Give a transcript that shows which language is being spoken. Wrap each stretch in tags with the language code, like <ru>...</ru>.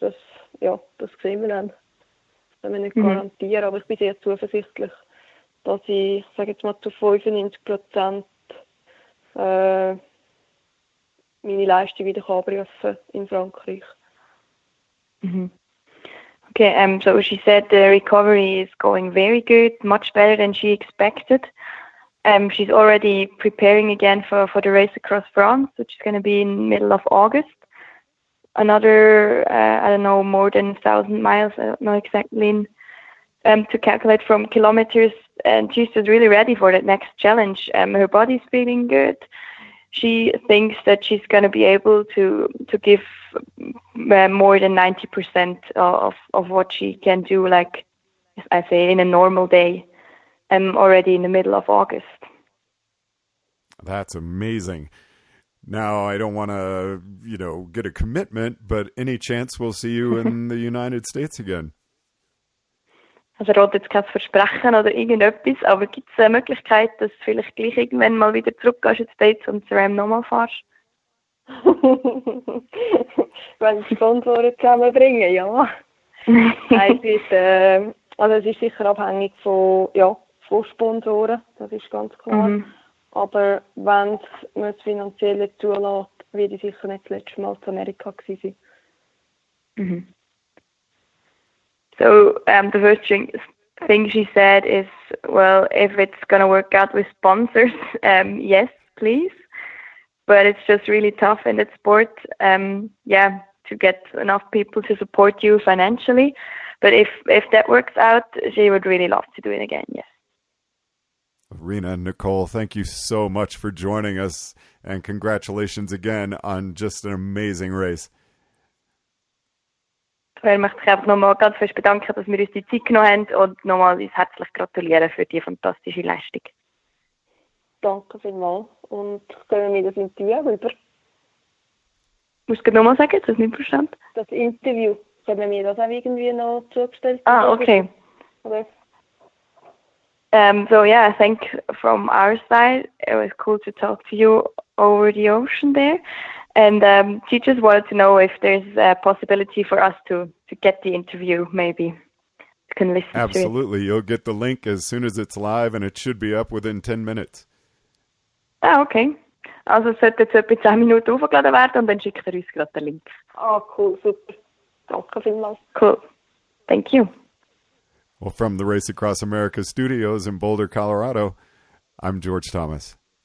<de>Das, ja, das sehen wir dann. Das können wir nicht garantieren, aber ich bin sehr zuversichtlich, dass ich, sage jetzt mal, zu 95% meine Leistung wieder abrufen kann in Frankreich.</de> <en>Okay, so she said the recovery is going very good, much better than she expected. She's already preparing again for the race across France, which is going to be in middle of August. Another, I don't know, more than 1,000 miles, I don't know exactly, to calculate from kilometers. And she's just really ready for that next challenge. Her body's feeling good. She thinks that she's going to be able to give more than 90% of what she can do, like I say, in a normal day. Already in the middle of August. That's amazing. Now, I don't want to, you know, get a commitment, but any chance we'll see you in the United States again?</en> <de>Also, Rot, jetzt kein Versprechen oder irgendetwas, aber gibt es eine Möglichkeit, dass du vielleicht gleich irgendwann mal wieder zurückgehst in die States und zu Ram nochmal fährst? Wenn die Sponsoren zusammenbringen, ja. Also, es ist sicher abhängig von, ja, Sponsoren, das ist ganz klar. Aber wenn man es finanziell zulässt, würde ich sicher nicht das letzte Mal zu Amerika gewesen sein.</de> <en>So, the first thing she said is, well, if it's gonna work out with sponsors, yes, please. But it's just really tough in that sport, yeah, to get enough people to support you financially. But if that works out, she would really love to do it again, yes. Rena and Nicole, thank you so much for joining us and congratulations again on just an amazing race.</en> <de>Ich möchte mich einfach nochmal ganz fest bedanken, dass wir uns die Zeit genommen haben und nochmal uns herzlich gratulieren für die fantastische Leistung. Danke vielmals und können wir das Interview rüber? Ich muss es nochmal sagen, das ist nicht verstanden. Das Interview, können wir das auch irgendwie noch zugestellt?</de> <en>Okay. So yeah, I think from our side, it was cool to talk to you over the ocean there. And she just wanted to know if there's a possibility for us to get the interview, maybe. You can listen. Absolutely. To it. You'll get the link as soon as it's live, and it should be up within 10 minutes. Ah, okay.</en> <de>Also es sollte jetzt etwa 10 Minuten aufgeladen werden, und dann schickt er uns gerade den Link. Cool, super. Danke vielmals.</de> <en>Cool. Thank you. Well, from the Race Across America studios in Boulder, Colorado, I'm George Thomas.</en>